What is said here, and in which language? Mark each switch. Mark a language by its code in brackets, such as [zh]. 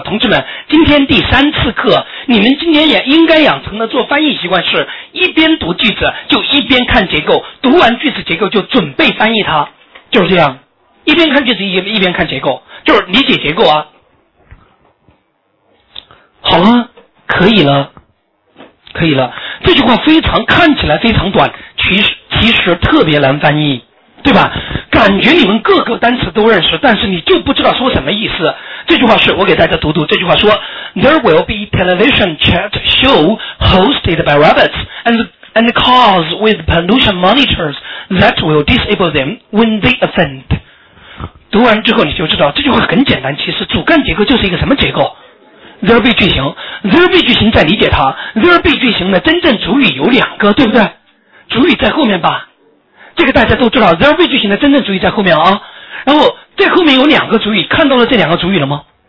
[zh] 同志们，今天第3次课，你们今天也应该养成的做翻译习惯是一边读句子就一边看结构，读完句子结构就准备翻译它，就是这样，一边看句子一边看结构，就是理解结构啊。好了，可以了。这句话非常，看起来非常短，其实特别难翻译，对吧？感觉你们各个单词都认识，但是你就不知道说什么意思。这句话是我给大家读，这句话说 [en] There will be television chat show hosted by rabbits and cars with pollution monitors that will disable them when they offend。 [zh] 读完之后你就知道这句话很简单，其实主干结构就是一个什么结构？ There be 句型。There be 句型再理解它， There be 句型的真正主语有2个，对不对？主语在后面吧，这个大家都知道， There be 句型的真正主语在后面啊。然后在后面有2个主语，看到了这2个主语了吗？